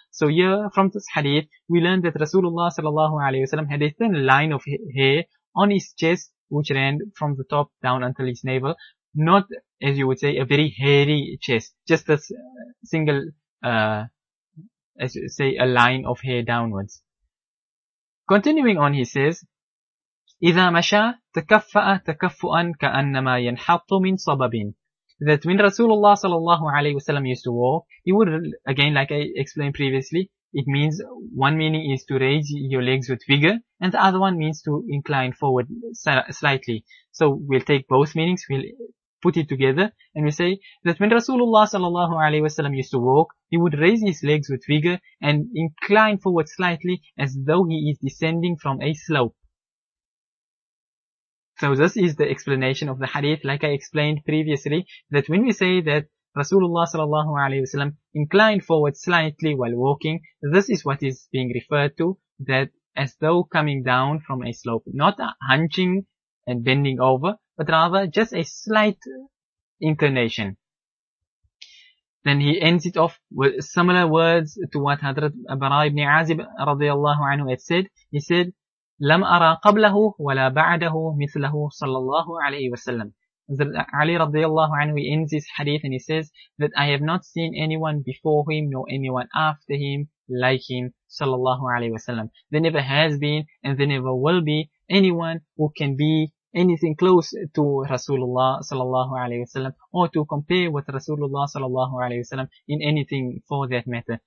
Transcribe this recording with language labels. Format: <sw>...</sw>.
<en>So here, from this hadith, we learn that Rasulullah sallallahu alaihi wasallam had a thin line of hair on his chest, which ran from the top down until his navel. Not, as you would say, a very hairy chest. Just this single, as you say, a line of hair downwards. Continuing on, he says,</en> <ar>إِذَا مَشَى تَكَفَّأَ تَكَفُّؤًا كَأَنَّمَا يَنْحَطُ مِنْ صَبَبٍ.</ar> <en>That when Rasulullah sallallahu alayhi wa sallam used to walk, he would, again, like I explained previously, it means one meaning is to raise your legs with vigor, and the other one means to incline forward slightly. So we'll take both meanings, we'll put it together, and we say that when Rasulullah sallallahu alayhi wa sallam used to walk, he would raise his legs with vigor and incline forward slightly as though he is descending from a slope. So this is the explanation of the hadith, like I explained previously, that when we say that Rasulullah sallallahu alayhi wa sallam inclined forward slightly while walking, this is what is being referred to, that as though coming down from a slope, not hunching and bending over, but rather just a slight inclination. Then he ends it off with similar words to what Hadrat Bara ibn Azib radiallahu anhu had said. He said,</en> <ar>لَمْ أَرَى قَبْلَهُ وَلَا بَعْدَهُ مِثْلَهُ صَلَى اللَّهُ عَلَيْهِ وَسَلَّمُ.</ar> <en>Hadrat Ali radiallahu anhu, he ends this hadith and he says that I have not seen anyone before him nor anyone after him like him</en> <ar>صلى الله عليه وسلم.</ar> <en>There never has been and there never will be anyone who can be anything close to Rasulullah sallallahu alayhi wasallam, or to compare with Rasulullah sallallahu alayhi wasallam in anything for that matter.</en>